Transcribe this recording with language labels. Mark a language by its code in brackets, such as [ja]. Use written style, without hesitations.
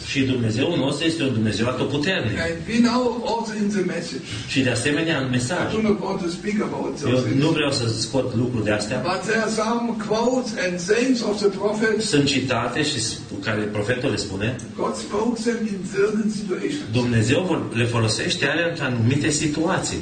[ro] Și Dumnezeul nostru este un Dumnezeu atotputernic. [en] And we know also in the message. [ro] Și de asemenea în mesaj. [en] I do not want to speak about those. [ro] Eu nu vreau să scot lucruri de astea. [en] But there are some quotes and sayings of the prophet. [ro] Sunt citate și care profetul le spune. [en] God spoke them in certain situations. [ro] Dumnezeu le folosește alea în anumite situații.